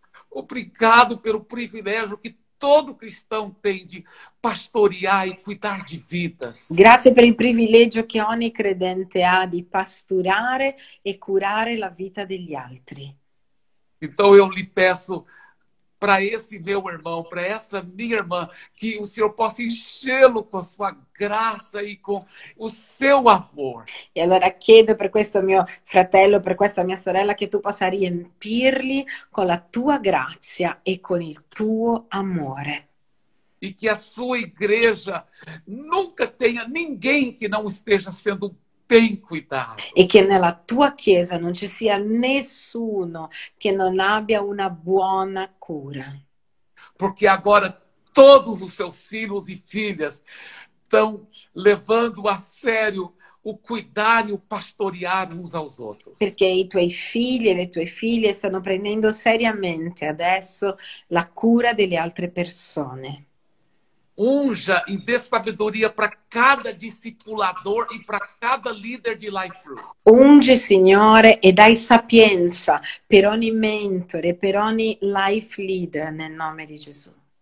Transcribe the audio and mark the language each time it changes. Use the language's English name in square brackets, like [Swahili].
[Portuguese] Obrigado pelo privilégio que todo cristão tem de pastorear e cuidar de vidas. [Italian] Grazie per il privilegio che ogni credente ha di pasturare e curare la vita degli altri. [Portuguese] Então eu lhe peço para esse meu irmão, para essa minha irmã, que o Senhor possa enchê-lo com a sua graça e com o seu amor. [Italian] E allora chiedo per questo mio fratello, per questa mia sorella, che tu possa riempirli con la tua grazia e con il tuo amore. [Portuguese] E que a sua igreja nunca tenha ninguém que não esteja sendo bem [Italian] E [Portuguese] cuidado. [Italian] che nella tua chiesa non ci sia nessuno che non abbia una buona cura. [Portuguese] Porque agora todos os seus filhos e filhas estão levando a sério o cuidar e o pastorear uns aos outros. [Italian] Perché i tuoi figli e le tue figlie stanno prendendo seriamente adesso la cura delle altre persone. [Portuguese] Unja e dê sabedoria para cada discipulador e para cada leader de Life Group. [Italian] Unge, Signore, e dai sapienza per ogni mentore, per ogni life leader, nel nome di Gesù.